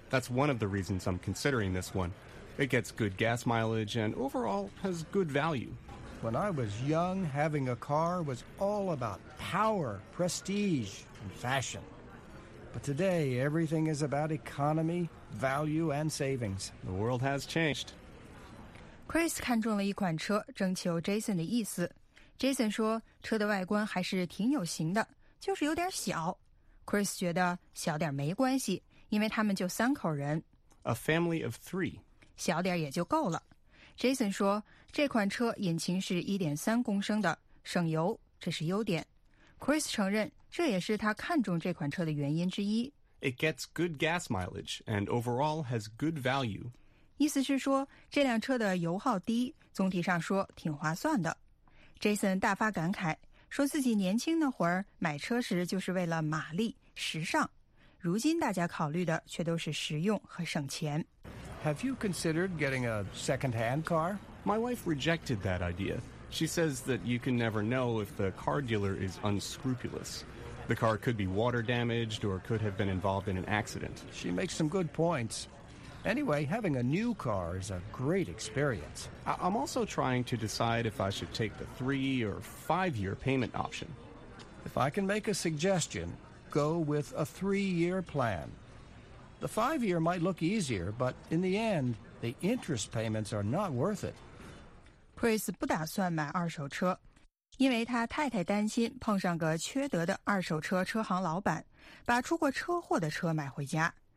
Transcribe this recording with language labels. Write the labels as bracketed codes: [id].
[en] That's one of the reasons I'm considering this one. It gets good gas mileage and overall has good value. When I was young, having a car was all about power, prestige, and fashion. But today, everything is about economy, value, and savings. The world has changed. [zh] Chris 看中了一款车，征求 Jason 的意思。Jason 说，车的外观还是挺有型的，就是有点小。 Chris 觉得小点没关系，因为他们就三口人。 [en] A family of three. [zh] 小点也就够了。 Jason 说这款车引擎是 1.3 公升的省油这是优点。 Chris 承认这也是他看中这款车的原因之一。 [en] It gets good gas mileage and overall has good value. [zh] 意思是说这辆车的油耗低总体上说挺划算的。 Jason 大发感慨说自己年轻那会儿买车时就是为了马力时尚。如今大家考虑的却都是实用和省钱。 [en] Have you considered getting a second-hand car? My wife rejected that idea. She says that you can never know if the car dealer is unscrupulous. The car could be water damaged or could have been involved in an accident. She makes some good points. Anyway, having a new car is a great experience. I'm also trying to decide if I should take the 3 or 5 year payment option. If I can make a suggestion, go with a 3 year plan. The 5 year might look easier, but in the end, the interest payments are not worth it. [zh] Chris 不打算买二手车，因为他太太担心碰上个缺德的二手车车行老板，把出过车祸的车买回家。